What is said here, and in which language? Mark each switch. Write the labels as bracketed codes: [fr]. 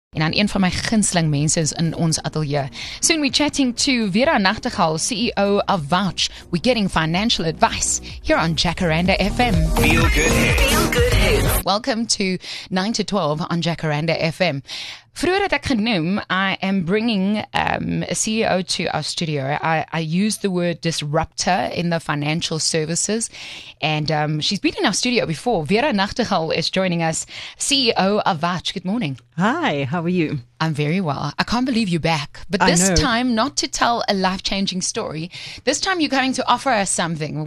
[af] en dan een van my gunsteling mense is in ons atelier. [en] Soon we're chatting to Vera Nachtigal, CEO of Vouch. We're getting financial advice here on Jacaranda FM. Feel good. Feel good. Welcome to 9 to 12 on Jacaranda FM. [af] Vroeger het ek genoem, [en] I am bringing a CEO to our studio. I use the word disruptor in the financial services. And she's been in our studio before. Vera Nachtigal is joining us, CEO of Vouch. Good morning. Hi, how are you? I'm very well. I can't believe you're back. But this time, not to tell a life-changing story, this time you're going to offer us something.